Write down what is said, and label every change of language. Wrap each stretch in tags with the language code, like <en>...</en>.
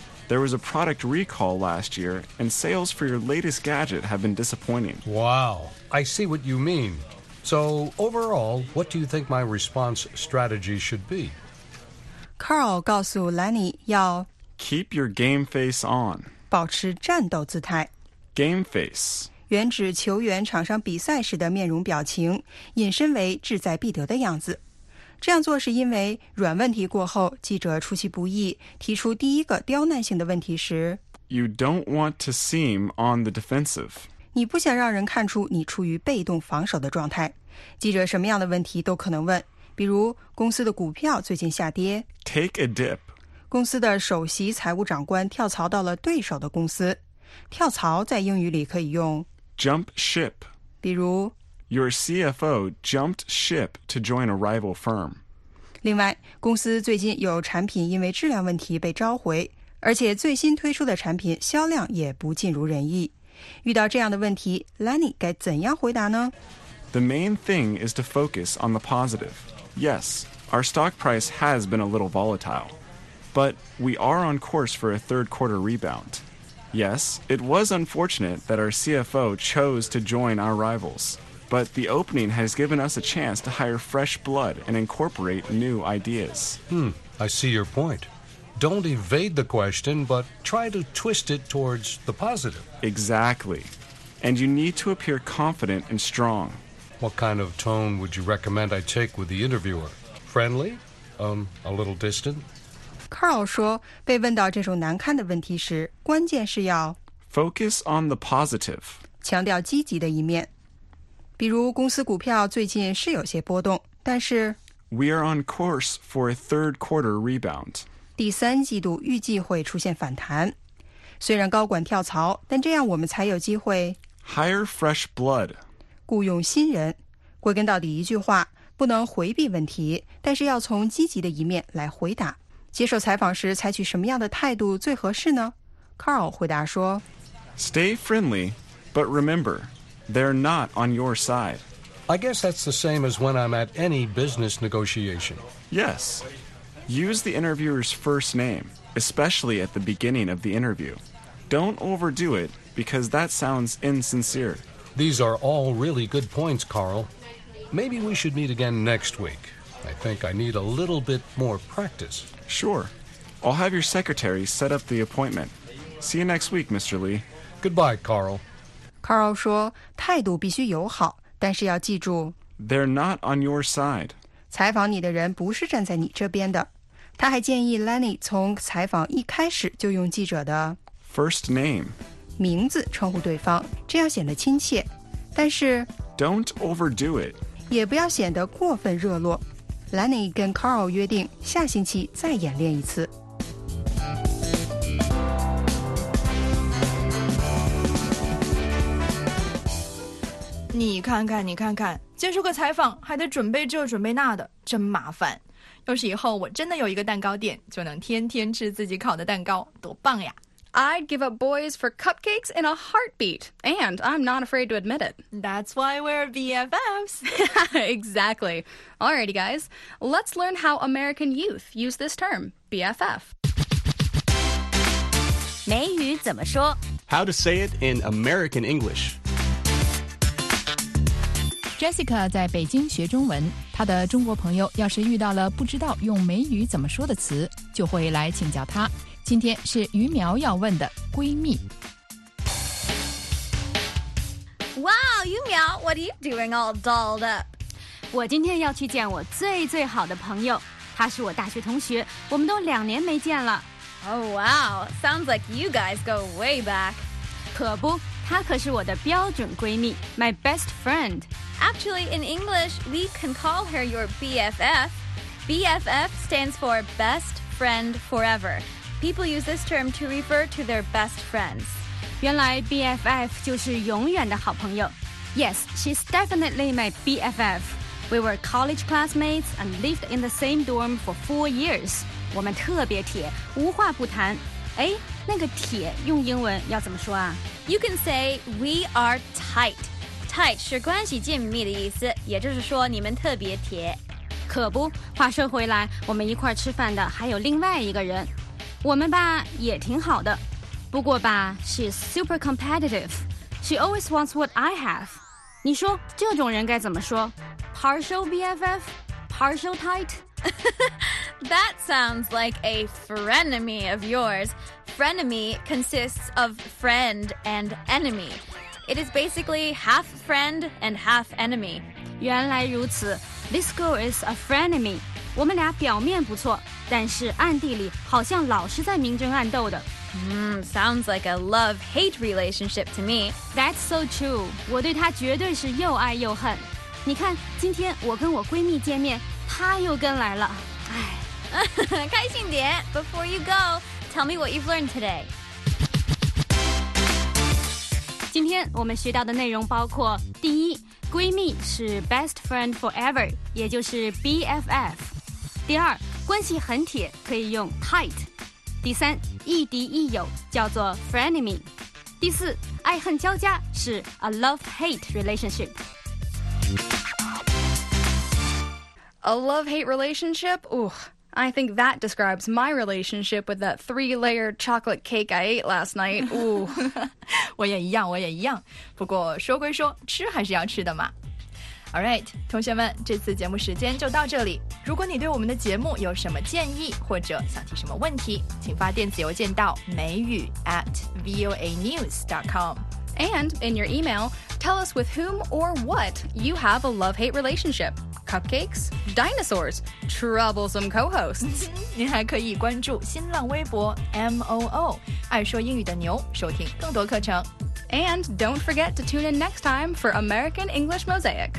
<en>There was a product recall last year, and sales for your latest gadget have been disappointing. Wow, I see what you mean. So, overall, what do you think my response strategy should be?</en> <zh>Carl 告诉 Lenny 要</zh> <en>Keep your game face on.</en> <zh>保持战斗姿态。</zh> <en>Game face.</en> <zh>原指球员场上比赛时的面容表情，引申为志在必得的样子。这样做是因为软问题过后，记者出其不意提出第一个刁难性的问题时</zh> <en>，You don't want to seem on the defensive.</en> <zh>你不想让人看出你处于被动防守的状态。记者什么样的问题都可能问，比如公司的股票最近下跌。</zh> <en>Take a dip.</en> <zh>公司的首席财务长官跳槽到了对手的公司。跳槽在英语里可以用</zh> <en>jump ship.</en> <zh>比如</zh> <en>Your CFO jumped ship to join a rival firm.</en> <zh>另外，公司最近有产品因为质量问题被召回，而且最新推出的产品销量也不尽如人意。遇到这样的问题 ，Lenny 该怎样回答呢</zh> <en>？The main thing is to focus on the positive. Yes, our stock price has been a little volatile. But we are on course for a third quarter rebound. Yes, it was unfortunate that our CFO chose to join our rivals. But the opening has given us a chance to hire fresh blood and incorporate new ideas. I see your point. Don't evade the question, but try to twist it towards the positive. Exactly. And you need to appear confident and strong. What kind of tone would you recommend I take with the interviewer? Friendly? A little distant?</en> <zh>Carl 说，被问到这种难堪的问题时，关键是要</zh> <en>focus on the positive，</en> <zh>强调积极的一面。比如，公司股票最近是有些波动，但是</zh> <en>we are on course for a third quarter rebound，</en> <zh>第三季度预计会出现反弹。虽然高管跳槽，但这样我们才有机会</zh> <en>hire fresh blood，</en> <zh>雇佣新人。归根到底，一句话，不能回避问题，但是要从积极的一面来回答。接受采访时采取什么样的态度最合适呢 ？Carl 回答说</zh> <en>：“Stay friendly, but remember, they're not on your side. I guess that's the same as when I'm at any business negotiation. Yes, use the interviewer's first name, especially at the beginning of the interview. Don't overdo it, because that sounds insincere. These are all really good points, Carl. Maybe we should meet again next week. I think I need a little bit more practice. Sure. I'll have your secretary set up the appointment. See you next week, Mr. Lee. Goodbye, Carl.</en> <zh>Carl 说态度必须友好，但是要记住</zh> <en>They're not on your side.</en> <zh>采访你的人不是站在你这边的。他还建议 Lenny 从采访一开始就用记者的</zh> <en>First name.</en> <zh>名字称呼对方，这样显得亲切。但是</zh> <en>Don't overdo it.</en> <zh>也不要显得过分热络。 Lenny 跟 Carl 约定下星期再演练一次。你看看，你看看，接受个采访还得准备这准备那的，真麻烦。要是以后我真的有一个蛋糕店，就能天天吃自己烤的蛋糕，多棒呀！</zh> <en>I'd give up boys for cupcakes in a heartbeat, and I'm not afraid to admit it. That's why we're BFFs. Exactly. Alrighty, guys, let's learn how American youth use this term, BFF.</en> <zh>美语怎么说？</zh> <en>How to say it in American English.</en> <zh>Jessica 在北京学中文，她的中国朋友要是遇到了不知道用美语怎么说的词，就会来请教她。今天是于苗要问的闺蜜。</zh> <en>Wow, 于苗 what are you doing all dolled up?</en> <zh>我今天要去见我最最好的朋友，她是我大学同学，我们都两年没见了。</zh> <en>Oh wow, sounds like you guys go way back.</en> <zh>可不，她可是我的标准闺蜜 ，</zh> <en>my best friend. Actually, in English, we can call her your BFF. BFF stands for Best Friend Forever. People use this term to refer to their best friends.</en> <zh>原来 BFF 就是永远的好朋友。</zh> <en>Yes, she's definitely my BFF. We were college classmates and lived in the same dorm for 4 years.</en> <zh>我们特别铁，无话不谈。哎，那个铁用英文要怎么说啊？</zh> <en>You can say we are tight.</en> <zh>Tight 是关系紧密的意思，也就是说你们特别铁。可不，话说回来，我们一块吃饭的还有另外一个人，我们吧也挺好的。不过吧</zh> <en>，she's super competitive. She always wants what I have.</en> <zh>你说这种人该怎么说 ？</zh> <en>Partial BFF, partial tight. That sounds like a frenemy of yours. Frenemy consists of friend and enemy. It is basically half friend and half enemy.</en> <zh>原来如此</zh> <en>This girl is a frenemy.</en> <zh>我们俩表面不错，但是暗地里好像老是在明争暗斗的。</zh> <en>Sounds like a love-hate relationship to me. That's so true.</en> <zh>我对她绝对是又爱又恨。你看，今天我跟我闺蜜见面，她又跟来了。哎，开心点。</zh> <en>Before you go, tell me what you've learned today.</en> <zh>今天我们学到的内容包括第一闺蜜是</zh> <en>best friend forever</en> <zh>也就是 BFF 第二关系很铁可以用 tight 第三亦敌亦友叫做 frenemy 第四爱恨交加是</zh> <en>a love-hate relationship A love-hate relationship? Ooh, I think that describes my relationship with that three-layered chocolate cake I ate last night Ooh</en> <zh>我也一样，我也一样。不过说归说，吃还是要吃的嘛。</zh> <en>All right,</en> <zh>同学们，这次节目时间就到这里。如果你对我们的节目有什么建议，或者想提什么问题，请发电子邮件到美语@voanews.com.</zh> <en>And in your email, tell us with whom or what you have a love-hate relationship. Cupcakes? Dinosaurs? Troublesome co-hosts?</en> <zh>您还可以关注新浪微博 MOO. 爱说英语的牛，收听更多课程。</zh> <en>And don't forget to tune in next time for American English Mosaic.</en>